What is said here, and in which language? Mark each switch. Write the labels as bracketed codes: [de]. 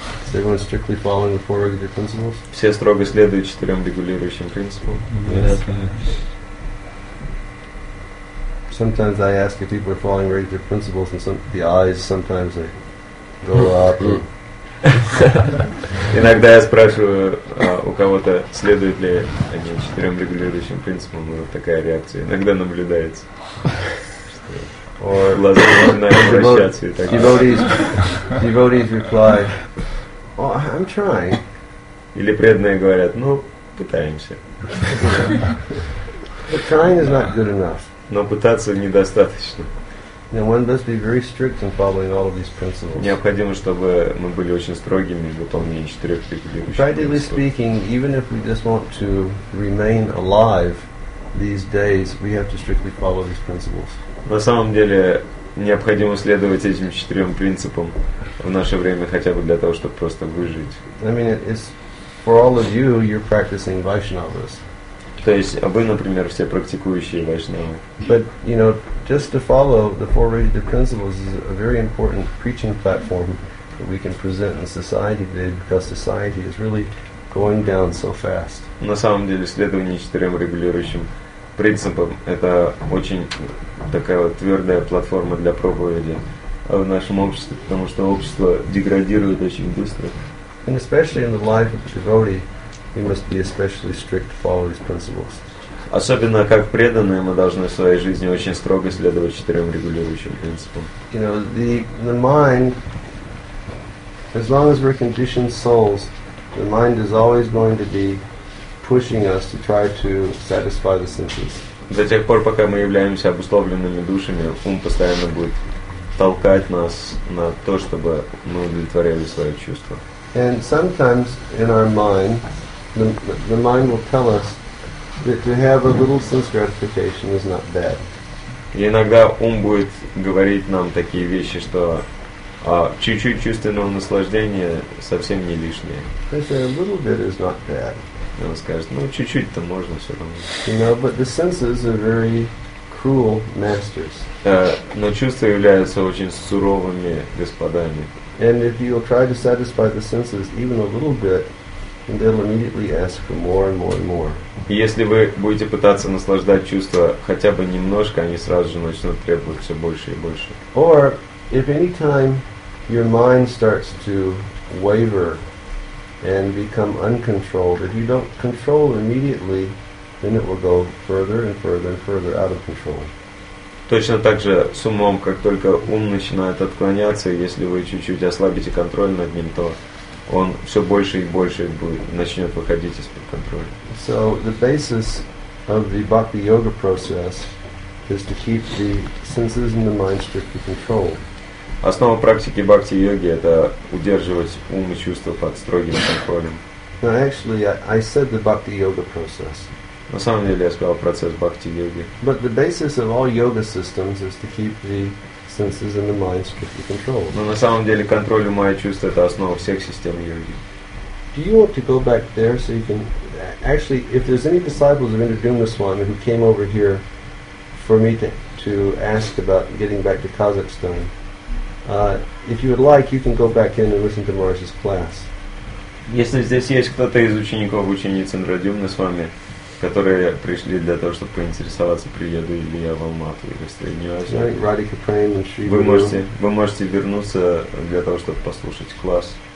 [en] Is everyone strictly following the four regular principles? [ru] Все строго следуют четырем регулирующим принципам. [en] Yes. Sometimes I ask if people are following regular principles, and some the eyes sometimes they go up. [ru] Иногда я спрашиваю у кого-то, следуют ли они четырем регулирующим принципам, и вот такая реакция иногда наблюдается. Or глаза начинают обращаться и так. [en] Devotees reply. Oh, I'm trying. [ru] Или преданные говорят, ну, пытаемся. [en] But trying is not good enough. [ru] Но пытаться недостаточно. [en] Now one must be very strict in following all of these principles. [ru] Необходимо, чтобы мы были очень строгими в выполнении четырех регулирующих принципов. [en] Practically speaking, even if we just want to remain alive these days, we have to strictly follow these principles. [ru] На самом деле необходимо следовать этим четырем принципам в наше время хотя бы для того, чтобы просто выжить. [en] I mean, it's for all of you, you're practicing Vaishnavas. [ru] То есть вы, например, все практикующие Вайшнавы. [en] But you know, just to follow the four regular principles is a very important preaching platform that we can present in society today, because society is really going down so fast. [ru] На самом деле, следование четырем регулирующим принципам — это очень такая вот твердая платформа для проповеди в нашем обществе, потому что общество деградирует очень быстро. [en] And especially in the life of a devotee, we must be especially strict to follow these principles. [ru] Особенно как преданные, мы должны в своей жизни очень строго следовать четырем регулирующим принципам. [en] You know, the mind, as long as we're conditioned souls, the mind is always going to be pushing us to try to satisfy the senses. [ru] До тех пор, пока мы являемся обусловленными душами, ум постоянно будет толкать нас на то, чтобы мы удовлетворяли свои чувства. [en] And sometimes in our mind, the mind will tell us that to have a little sense gratification is not bad. [ru] И иногда ум будет говорить нам такие вещи, что чуть-чуть чувственного наслаждения совсем не лишнее. [en] They say a little bit is not bad. [ru] И он скажет, ну чуть-чуть-то можно все равно. [en] You know, but the senses are very cruel masters. [ru] Но чувства являются очень суровыми господами. [en] And if you'll try to satisfy the senses even a little bit, they'll immediately ask for more and more and more. [ru] Если вы будете пытаться наслаждать чувства хотя бы немножко, они сразу же начнут требовать все больше и больше. [en] Or if any time your mind starts to waver, and become uncontrolled. If you don't control immediately, then it will go further and further and further out of control. [ru] Точно так же с умом, как только ум начинает отклоняться, если вы чуть-чуть ослабите контроль над ним, то он все больше и больше будет, начнет выходить из-под контроля. [en] So the basis of the bhakti yoga process is to keep the senses and the mind strictly controlled. [ru] Основа практики бхакти йоги – это удерживать ум и чувства под строгим контролем. [en] No, actually, I said the bhakti yoga process. [ru] На самом деле я сказал процесс бхакти йоги. [en] But the basis of all yoga systems is to keep the senses and the mind strictly controlled. [ru] Но на самом деле контроль ума и чувств – это основа всех систем йоги. [en] Do you want to go back there so you can actually, if there's any disciples of Indradyumna Swami who came over here for me to ask about getting back to Kazakhstan? If you would like, you can go back in and listen to Maharaj's class. [ru] Если здесь есть кто-то из учеников, учениц Индрадьюмны с вами, которые пришли для того, чтобы поинтересоваться, приеду ли я в Алмату или в Среднюю Азию, вы можете вернуться для того, чтобы послушать класс.